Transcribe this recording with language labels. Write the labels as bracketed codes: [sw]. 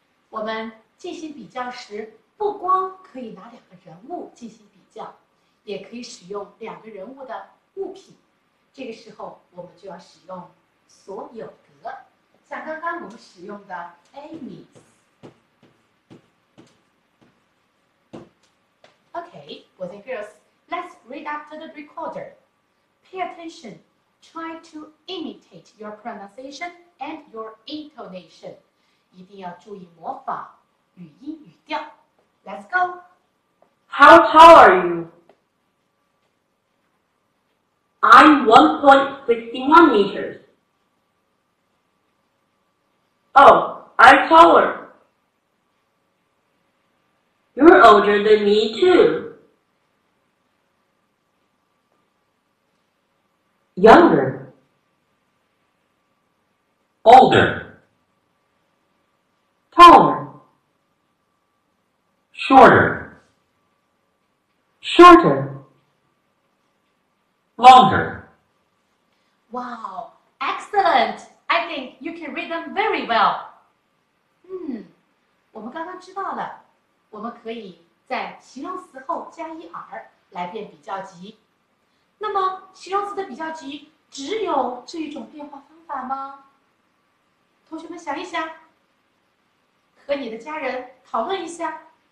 [zh] 我们进行比较时，不光可以拿两个人物进行比较，也可以使用两个人物的物品。这个时候我们就要使用所有格，像刚刚我们使用的 Amy's. [en] Okay, boys and girls, let's read after the recorder. Pay attention. Try to imitate your pronunciation and your intonation. [zh] 一定要注意模仿语音语调。 [en] Let's go. How tall are you? I'm 1.61 meters. Oh, I'm taller. You're older than me, too. Younger. Older. Taller. Shorter. Shorter. Longer. Wow, excellent! I think you can read them very well. [zh] 我们刚刚知道了，我们可以在形容词后加 er 来变比较级。那么形容词的比较级只有这一种变化方法吗？同学们想一想，和你的家人讨论一下。